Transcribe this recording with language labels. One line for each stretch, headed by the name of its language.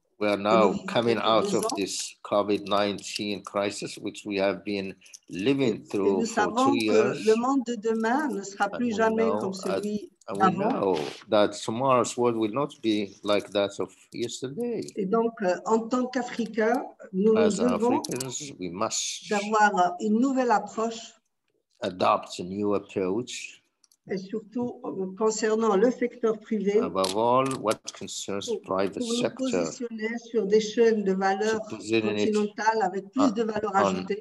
English: We are now coming out of this COVID-19 crisis, which we have been living through for 2 years.
French: Le monde de demain ne sera plus jamais comme celui avant.
English: We know that tomorrow's world will not be like that of yesterday.
French: Et donc, en tant qu'Africains, nous devons avoir une nouvelle approche.
English: Adopt a new approach.
French: Et surtout concernant le secteur privé.
English: Above all, what concerns the private sector.
French: Pour nous positionner sur des chaînes de valeur continentales avec plus de valeur ajoutée.